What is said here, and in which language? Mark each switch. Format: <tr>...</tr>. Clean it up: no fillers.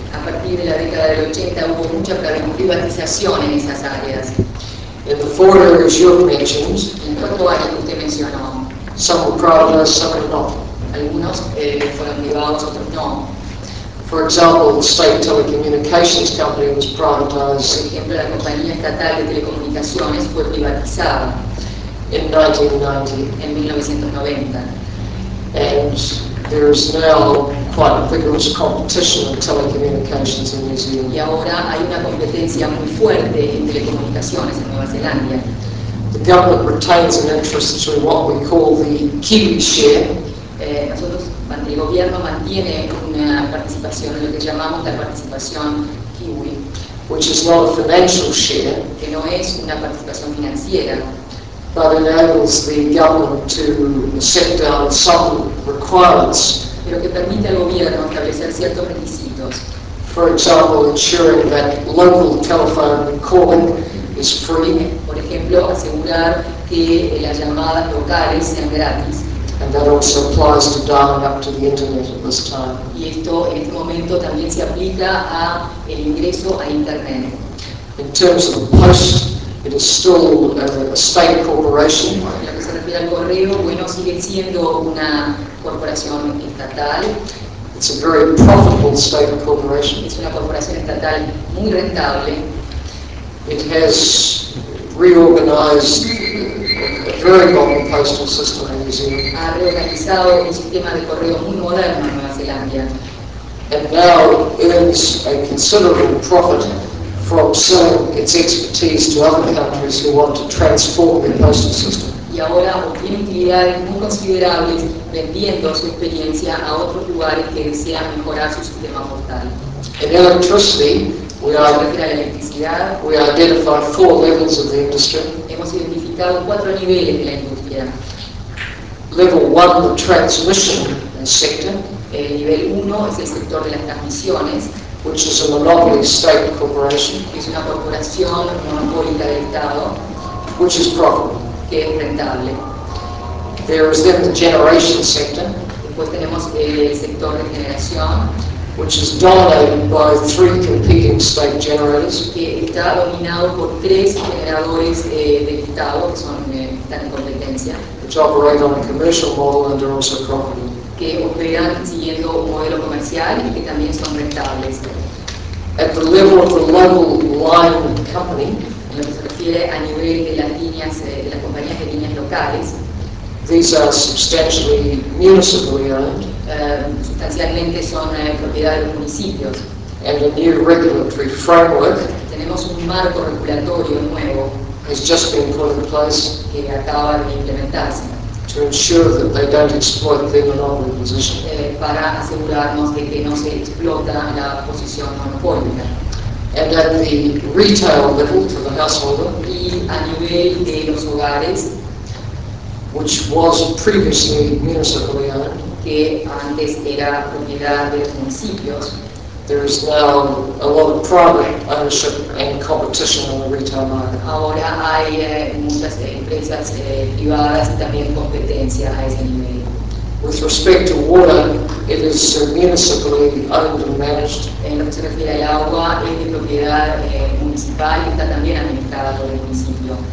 <es>A partir de la década del 80 hubo mucha privatización en esas áreas.</es> <en>In the four areas you have mentioned,</en> <es>en cuatro áreas que usted mencionó,</es> <en>some were privatized, some were not.</en> <es>Algunos fueron privados, otros no.</es> <en>For example, the state telecommunications company was privatized.</en> <es>Por ejemplo, la compañía estatal de telecomunicaciones fue privatizada.</es> <en>In 1990. And there is now quite a vigorous competition in telecommunications in New Zealand. The government retains an interest through what we call the Kiwi share.</en> <es>El gobierno mantiene una participación, lo que llamamos la participación Kiwi,</es> <en>which is not a financial share,</en> <es>que no es una participación financiera.</es> <en>But enables the government to set down some requirements.</en> <es>Pero que permite al gobierno establecer ciertos requisitos.</es> <en>For example, ensuring that local telephone calling is free.</en> <es>Por ejemplo, asegurar que las llamadas locales sean gratis.</es> <en>And that also applies to dialing up to the internet at this time.</en> <es>Y esto en este momento también se aplica a el ingreso a internet.</es> <en>In terms of the post, it is still a state corporation.</en> <es>Lo que se refiere al correo, bueno, sigue siendo una corporación estatal.</es> <en>It's a very profitable state corporation.</en> <es>Es una corporación estatal muy rentable.</es> <en>It has reorganized a very modern postal system in New Zealand.</en> <es>Ha reorganizado un sistema de correo muy moderno en Nueva Zelanda.</es> <en>And now earns a considerable profit from selling its expertise to other countries who want to transform their postal system.</en> <es>Y ahora obtiene utilidades muy considerables vendiendo su experiencia a otros lugares que desean mejorar su sistema postal.</es> <en>In electricity, we identified four levels of the industry.</en> <es>Hemos identificado cuatro niveles de la industria.</es> <en>Level one, the transmission sector.</en> <es>El nivel uno es el sector de las transmisiones,</es> <en>which is a monopoly state corporation,</en> <es>es una corporación monopólica del Estado,</es> <en>which is profitable,</en> <es>que es rentable.</es> <en>There is then the generation sector,</en> <es>después tenemos el sector de generación,</es> <en>which is dominated by three competing state generators,</en> <es>que está dominado por tres generadores del Estado que son están en competencia,</es> <en>which operate on a commercial model and are also profitable,</en> <es>que operan siguiendo un modelo comercial y que también son rentables.</es> <en>At the level of the local line company,</en> <es>en lo que se refiere a nivel de las líneas, de las compañías de líneas locales,</es> <en>these are substantially municipally owned.</en> <es>Sustancialmente son propiedad de los municipios.</es> <en>And a new regulatory framework,</en> <es>tenemos un marco regulatorio nuevo,</es> <en>has just been put in place,</en> <es>que acaba de implementarse,</es> <en>to ensure that they don't exploit their monopoly position.</en> <es>Para asegurarnos de que no se explota la posición monopólica.</es> <en>And at the retail level to the householder,</en> <es>y a nivel de los hogares,</es> <en>which was previously municipally owned,</en> <es>que antes era propiedad de los municipios,</es> <en>there is now a lot of private ownership and competition on the retail market.</en> <es>Ahora hay muchas empresas privadas y también competencia a ese nivel.</es> <en>With respect to water, it is municipally owned and managed.</en> <es>En lo que se refiere al agua, es de propiedad municipal y está también administrada por el municipio.</es>